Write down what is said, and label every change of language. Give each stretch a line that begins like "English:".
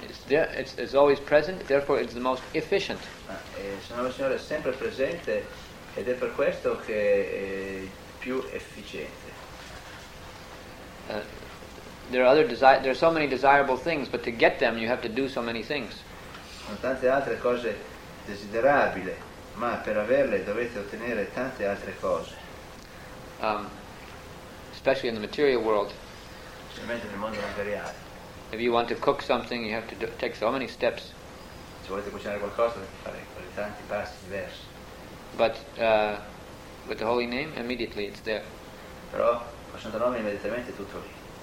English: It's always present, therefore it's the most efficient.
Italian: Il Signore è sempre presente ed è per questo che è più efficiente.
English: There are so many desirable things, but to get them you have to do so many things.
Italian: Sono tante altre cose desiderabili, ma per averle dovete ottenere tante altre cose.
English: Especially in the material world.
Italian: Specialmente nel mondo materiale.
English: If you want to cook something, you have to take so many steps.
Italian: Se volete cucinare qualcosa, fare tanti passi diversi.
English: But with the holy name, immediately it's there.
Italian: Però con il santo nome immediatamente tutto lì.